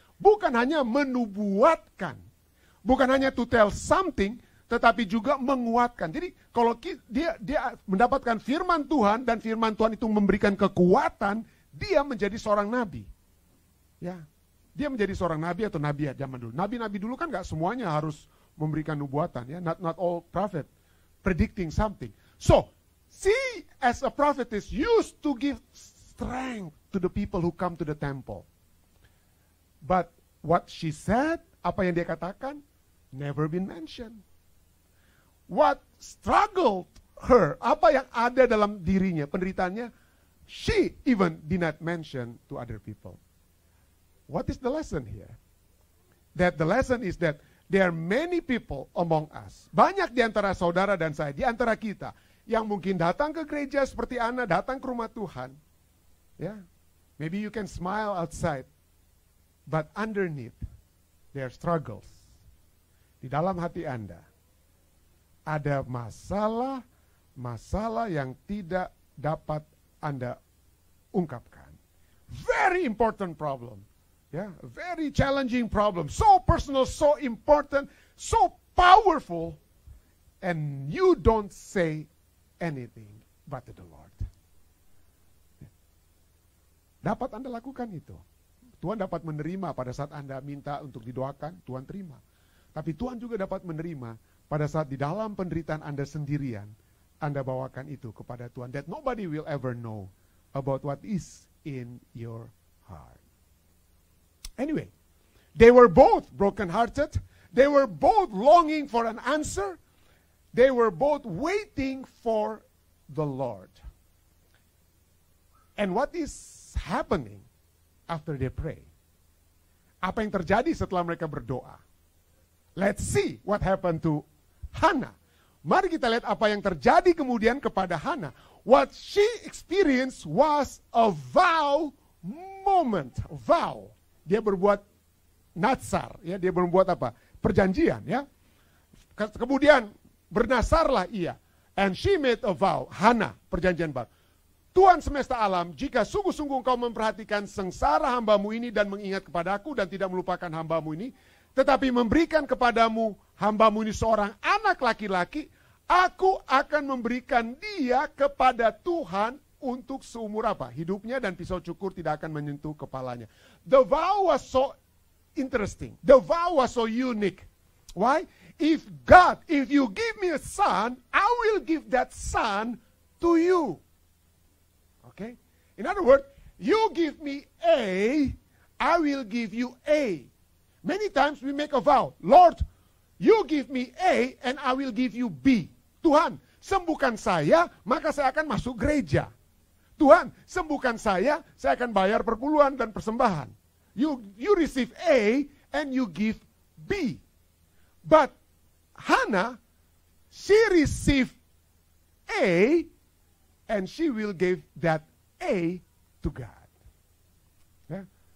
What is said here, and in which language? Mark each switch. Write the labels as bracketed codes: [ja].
[id] Bukan hanya menubuatkan, bukan hanya [en] to tell something, [id] tetapi juga menguatkan. Jadi kalau dia mendapatkan firman Tuhan dan firman Tuhan itu memberikan kekuatan, dia menjadi seorang nabi. Ya. Dia menjadi seorang nabi atau nabiat zaman dulu. Nabi-nabi dulu kan enggak semuanya harus memberikan nubuatan, ya. [en] Not all prophet predicting something. So, she as a prophetess used to give strength to the people who come to the temple. But what she said, [id] apa yang dia katakan, [en] never been mentioned. What struggled her, [id] apa yang ada dalam dirinya, penderitaannya, [en] she even did not mention to other people. What is the lesson here? That the lesson is that there are many people among us. [id] Banyak di antara saudara dan saya, di antara kita, yang mungkin datang ke gereja seperti Anna, datang ke rumah Tuhan. [en] Yeah. Maybe you can smile outside, but underneath, there are struggles. [id] Di dalam hati Anda, ada masalah-masalah yang tidak dapat Anda ungkapkan. [en] Very important problem. Yeah, very challenging problem. So personal, so important, so powerful. And you don't say anything but to the Lord. [id] Dapat Anda lakukan itu. Tuhan dapat menerima pada saat Anda minta untuk didoakan, Tuhan terima. Tapi Tuhan juga dapat menerima pada saat di dalam penderitaan Anda sendirian, Anda bawakan itu kepada Tuhan. [en] That nobody will ever know about what is in your heart. Anyway, they were both brokenhearted. They were both longing for an answer. They were both waiting for the Lord. And what is happening after they pray? [id] Apa yang terjadi setelah mereka berdoa? [en] Let's see what happened to Hannah. [id] Mari kita lihat apa yang terjadi kemudian kepada Hannah. [en] What she experienced was a vow moment. [id] Vow. Dia berbuat nazar, ya. Dia berbuat apa? Perjanjian, ya. Kemudian bernazarlah ia. [en] And she made a vow. [id] Hannah, perjanjian baru. Tuhan semesta alam, jika sungguh-sungguh engkau memperhatikan sengsara hambamu ini dan mengingat kepadaku dan tidak melupakan hambamu ini, tetapi memberikan kepadamu hambamu ini seorang anak laki-laki, aku akan memberikan dia kepada Tuhan untuk seumur apa? Hidupnya, dan pisau cukur tidak akan menyentuh kepalanya. [en] The vow was so interesting. The vow was so unique. Why? If God, if you give me a son, I will give that son to you. Okay? In other words, you give me A, I will give you A. Many times we make a vow. Lord, you give me A and I will give you B. [id] Tuhan, sembuhkan saya, maka saya akan masuk gereja. Tuhan, sembuhkan saya akan bayar perpuluhan dan persembahan. [en] You receive A and you give B. But Hannah, she received A and she will give that A to God. Yeah?